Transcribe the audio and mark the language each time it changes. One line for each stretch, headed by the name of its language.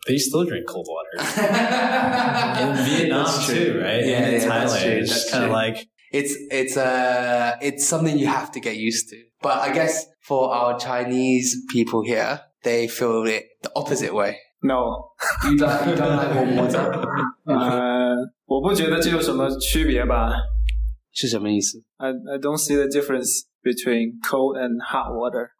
English: They still drink cold water. In Vietnam too, right? Yeah, in Thailand. That's true. It's just kind of like... It's something you have to get used to. But I guess for our Chinese people here, they feel it the opposite way. No. You don't like warm water?
Chinese: 我不觉得这有什么区别吧。是什么意思?
English: I don't see the difference between cold and hot water.